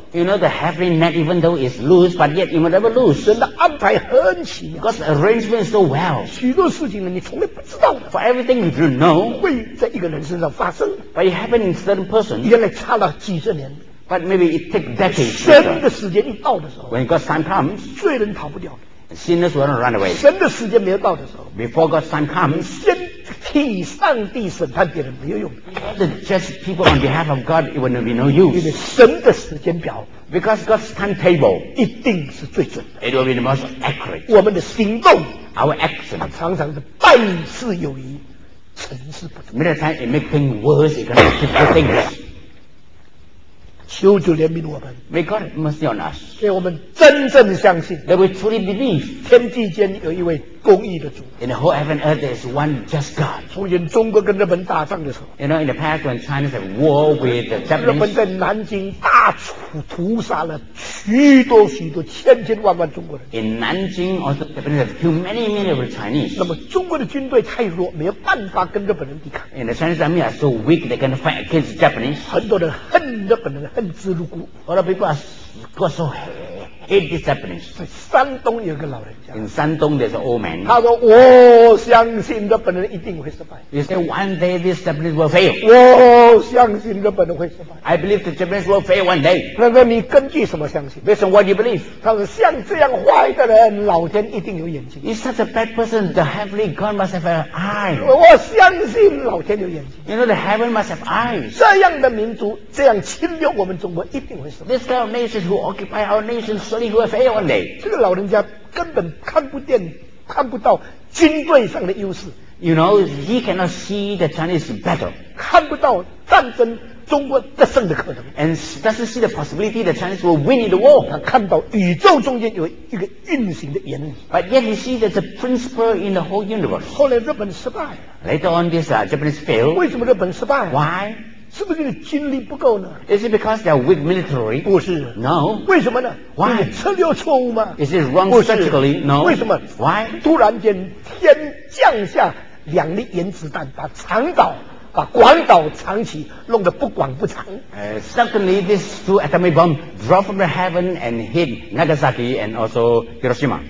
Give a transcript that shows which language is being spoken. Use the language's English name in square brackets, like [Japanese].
[English] You know the heavy net, even though it's loose, but yet it will never loose. [Chinese] 神的安排很奇妙。 [English] God's arrangement is so well. [Chinese] 许多事情呢，你从来不知道。 [English] For everything you don't know. [Chinese] 会在一个人身上发生。 [English] But it happened in certain person. [Chinese] 原来差了几十年。 [English] But maybe it takes decades. [Chinese] 神的时间一到的时候。 [English] When God's time comes. [Chinese] 罪人逃不掉。 [English] Sinners will not run away. [Chinese] 神的时间没有到的时候 [English] Before God's time comes, [Chinese] 先替上帝审判别人没有用。 [English] Just people on behalf of God, it will not be no use. [Chinese] 因为神的时间表 [English] Because God's timetable, [Chinese] 一定是最准的。 [English] It will be the most accurate. [Chinese] 我们的行动 [English] Our action, [Chinese] 常常是半事有余，成事不足。 [English] Many times it makes things worse, it can make people think that. [Chinese] 求主怜悯我们 [English] May God mercy on us [Chinese] 给我们真正相信 [English] That we truly believe [Chinese] 天地间有一位公义的主 [English] In the whole heaven and earth there is one just God [Chinese] 从前中国跟日本打仗的时候 [English] You know in the past when China had war with the Japanese [Chinese] 日本在南京大屠杀了许多许多千千万万中国人 [English] In 南京 also Japanese have killed many many of the Chinese [Chinese] 那么中国的军队太弱没有办法跟日本人抵抗 [English] And the Chinese army are so weak they can fight against the Japanese [Chinese] 很多人恨日本人恨之入骨 [English] A lot of people are got so hate this happening [Chinese] 在山东有个老人家 [English] In 山东 there's an old man [Chinese] 他说我相信日本人一定会失败 [English] He said one day this Japanese will fail [Chinese] 我相信日本人会失败 [English] I believe the Japanese will fail one day [Chinese] 那么你根据什么相信 [English] Based on what you believe [Chinese] 他说像这样坏的人老天一定有眼睛 [English] He's such a bad person the heavenly God must have an eye [Chinese] 我相信老天有眼睛 [English] You know the heaven must have eyes [Chinese] 这样的民族这样侵略我们中国一定会失败 [English] This kind of nation who occupy our nation surely will fail one day [Chinese] 这个老人家根本看不见看不到军队上的优势 [English] You know, he cannot see the Chinese battle [Chinese] 看不到战争中国得胜的可能 [English] And doesn't see the possibility the Chinese will win in the war [Chinese] 他看到宇宙中间有一个运行的原理 [English] But yet he sees there's a principle in the whole universe [Chinese] 后来日本失败 [English] Later on this Japanese fail [Chinese] 为什么日本失败 [English] Why? [Chinese] 是不是你的军力不够呢 [English] Is it because they are weak military? [Chinese] 不是 [English] No [Chinese] 为什么呢 [English] Why? [Chinese] 策略错误吗 [English] Is it wrong strategically? No [Chinese] 为什么 [English] Why? [Chinese] 突然间天降下两粒原子弹把长岛把广岛长崎弄得不广不长 [English] Suddenly these two atomic bombs drop from the heaven and hit Nagasaki and also Hiroshima